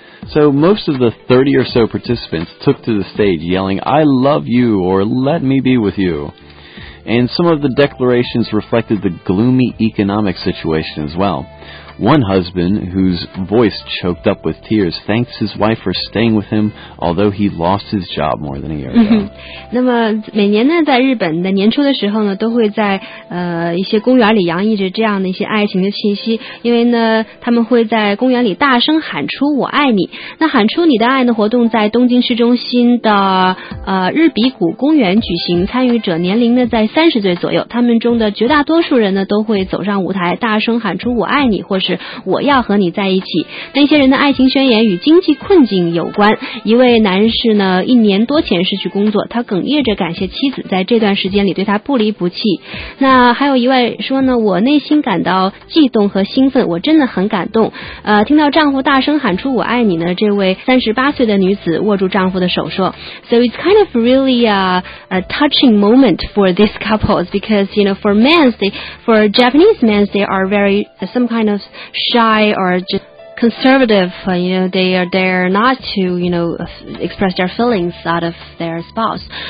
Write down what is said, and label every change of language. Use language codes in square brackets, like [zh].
[en] So most of the 30 or so participants took to the stage yelling, "I love you," or "Let me be with you." And some of the declarations reflected the gloomy economic situation as well. One husband, whose voice choked up with tears, thanks his wife for staying with him, although he lost his job more than a year ago. [zh] 那么每年呢，在日本的年初的时候呢，都会在一些公园里洋溢着这样的一些爱情的气息，因为呢，他们会在公园里大声喊出“我爱你”。那喊出你的爱的活动在东京市中心的日比谷公园举行，参与者年龄呢在30岁左右，他们中的绝大多数人呢都会走上舞台，大声喊出“我爱你”或是我要和你在一起。那些人的爱情宣言与经济困境有关。一位男士呢，一年多前失去工作，他哽咽着感谢妻子在这段时间里对他不离不弃。那还有一位说呢，我内心感到悸动和兴奋，我真的很感动。听到丈夫大声喊出我爱你呢，这位38岁的女子握住丈夫的手说 [en] So it's kind of really a touching moment for these couples because you know for Japanese men they are very some kind of shy or just conservative, you know, they are there not to, you know, express their feelings out of their spouse.